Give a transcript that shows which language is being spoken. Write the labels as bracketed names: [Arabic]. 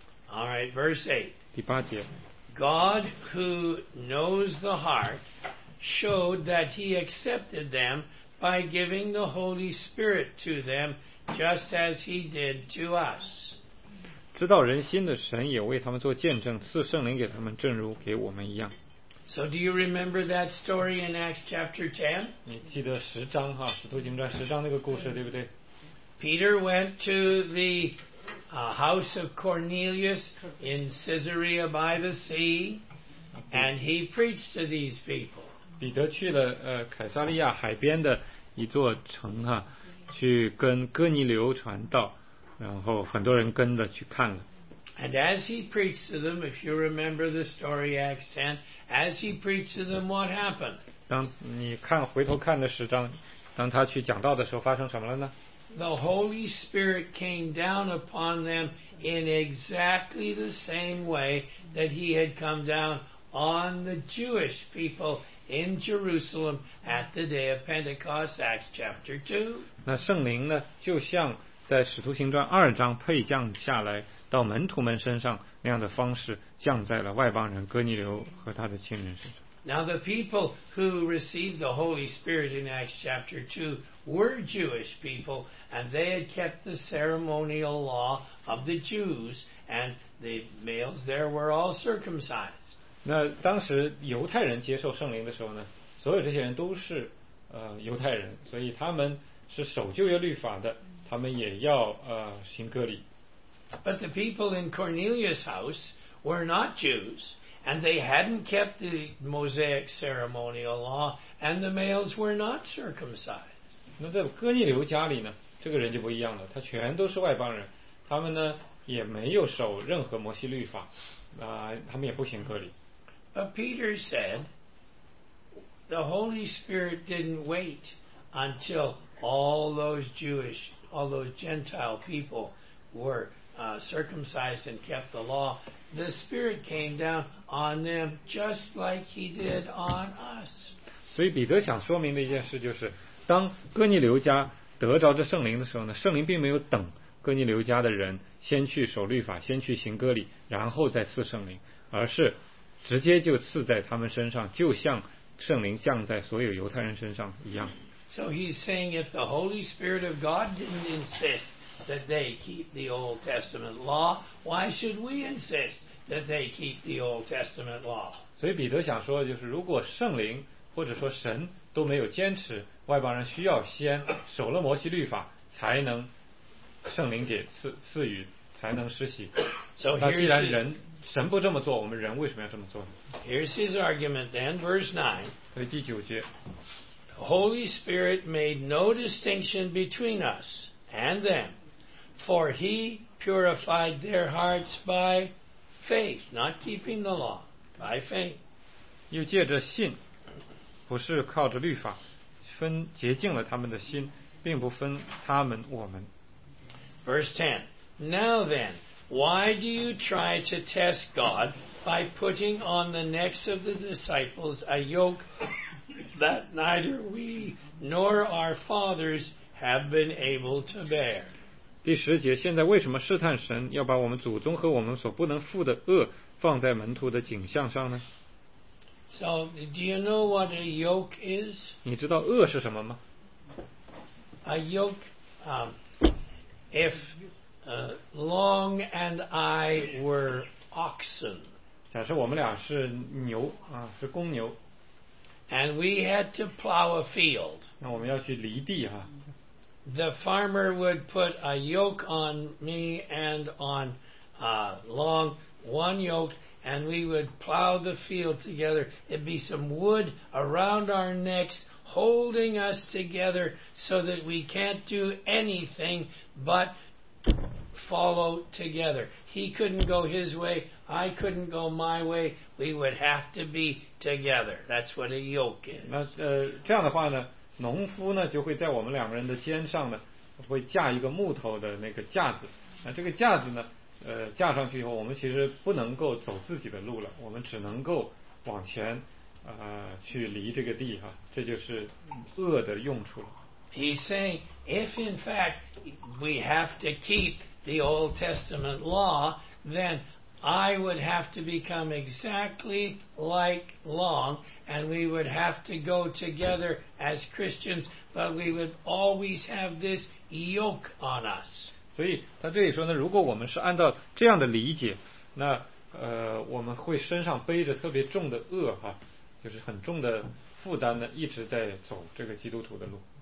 [English] All right, verse 8. [Chinese] 第八节。 [English] God, who knows the heart, showed that He accepted them by giving the Holy Spirit to them, just as He did to us. [Chinese] 知道人心的神也为他们做见证，赐圣灵给他们，正如给我们一样。 [English] So, do you remember that story in Acts chapter 10? [Chinese] 你记得十章哈，使徒行传十章那个故事对不对 [English] ？Peter went to the house of Cornelius in Caesarea by the sea, and he preached to these people. [Chinese] 彼得去了凯撒利亚海边的一座城哈，去跟哥尼流传道，然后很多人跟着去看了。 [English] And as he preached to them, if you remember the story Acts 10, as he preached to them, what happened? [Chinese] 当你看回头看的十章，当他去讲道的时候，发生什么了呢？ [English] The Holy Spirit came down upon them in exactly the same way that He had come down on the Jewish people in Jerusalem at the day of Pentecost, Acts chapter 2. [Chinese] 那圣灵呢，就像在使徒行传二章配降下来到门徒们身上那样的方式降在了外邦人哥尼流和他的亲人身上。 [English] Now the people who received the Holy Spirit in Acts chapter 2 were Jewish people, and they had kept the ceremonial law of the Jews, and the males there were all circumcised. [Chinese] 那当时犹太人接受圣灵的时候呢，所有这些人都是犹太人，所以他们是守旧约律法的，他们也要行割礼。 [English] But the people in Cornelius' house were not Jews. And they hadn't kept the Mosaic ceremonial law, and the males were not circumcised. [Chinese] 那在哥尼流家里呢，这个人就不一样了，他全都是外邦人，他们呢也没有守任何摩西律法。他们也不行割礼。 [English] But Peter said, the Holy Spirit didn't wait until all those Gentile people were circumcised and kept the law. The Spirit came down on them just like he did on us. [Chinese] 所以彼得想说明的一件事就是，当哥尼流家得着这圣灵的时候呢，圣灵并没有等哥尼流家的人先去守律法，先去行割礼，然后再赐圣灵，而是直接就赐在他们身上，就像圣灵降在所有犹太人身上一样。 [English] So he's saying if the Holy Spirit of God didn't insist that they keep the Old Testament law, why should we insist that they keep the Old Testament law? [Chinese] 所以彼得想说的就是，如果圣灵或者说神都没有坚持，外邦人需要先守了摩西律法才能圣灵给 赐予才能施洗。那既然人神不这么做，我们人为什么要这么做呢？ [English] Here's his argument then, verse 9. [Chinese] 所以第九节， [English] The Holy Spirit made no distinction between us and them, for he purified their hearts by faith, not keeping the law, by faith. [Chinese] 又借着信，不是靠着律法，分洁净了他们的心，并不分他们我们。 [English] Verse 10. Now then, why do you try to test God by putting on the necks of the disciples a yoke that neither we nor our fathers have been able to bear? [Chinese] 第十节，现在为什么试探神，要把我们祖宗和我们所不能负的轭放在门徒的颈项上呢？ [English] So, do you know what a yoke is? [Chinese] 你知道轭是什么吗？ [English] A yoke, if Long and I were oxen, [Chinese] 假设我们俩是牛啊，是公牛。 [English] And we had to plow a field. [Chinese] 那我们要去犁地啊。 [English] The farmer would put a yoke on me and on Long, one yoke, and we would plow the field together. It'd be some wood around our necks, holding us together so that we can't do anything but follow together. He couldn't go his way, I couldn't go my way. We would have to be together. That's what a yoke is. [Chinese] 那这样的话呢，农夫呢就会在我们两个人的肩上呢，会架一个木头的那个架子。那这个架子呢，架上去以后，我们其实不能够走自己的路了，我们只能够往前，去犁这个地哈。这就是轭的用处了。 [English] He's saying, if in fact we have to keep the Old Testament law, then I would have to become exactly like Long, and we would have to go together as Christians, but we would always have this yoke on us. [Chinese] 所以他这里说呢，如果我们是按照这样的理解，那我们会身上背着特别重的轭哈，就是很重的负担呢，一直在走这个基督徒的路。